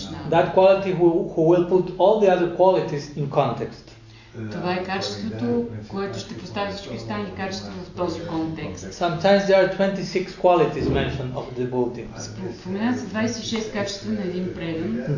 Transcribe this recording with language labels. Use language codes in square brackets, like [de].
[en] That quality who will put all the other qualities in context. [bg] Това е качеството, което ще постави всички останали качества в този контекст. [en] Sometimes there are 26 qualities mentioned of the devotee. [bg] Споменават се 26 качества на един предан.